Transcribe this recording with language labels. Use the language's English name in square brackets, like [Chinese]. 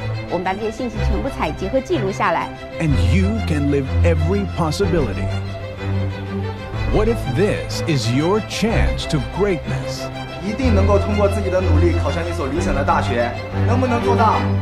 [Chinese] 我们把这些信息全部采集和记录下来。 [English] And you can live every possibility. What if this is your chance to greatness? [Chinese] 一定能够通过自己的努力考上一所理想的大学，能不能做到？